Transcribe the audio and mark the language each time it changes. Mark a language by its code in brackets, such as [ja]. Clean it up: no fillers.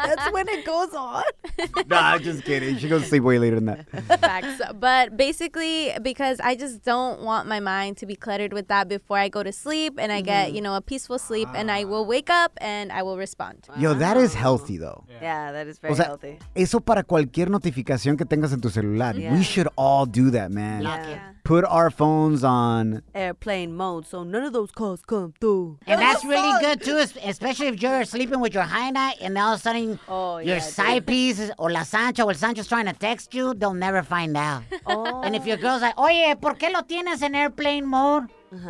[en] That's when it goes on. Nah, I'm just kidding. She goes to sleep way later than that. Facts. But basically, because I just don't want my mind to be cluttered with that before I go to sleep and I get, you know, a peaceful sleep and I will wake up and I will respond. Wow. Yo, that is healthy, though. Yeah, that is very healthy. [es] Eso para cualquier notificación que tengas en tu celular. [en] Yeah. We should all do that, man. Yeah. Yeah. Put our phones on airplane mode so none of those calls come through. And that's really good, too, especially if you're sleeping with your hyena and all of a sudden your side piece or la Sancha or Sancho's trying to text you, they'll never find out. And if your girl's like, [es] oye, ¿por qué lo tienes en airplane [en] mode? Uh-huh.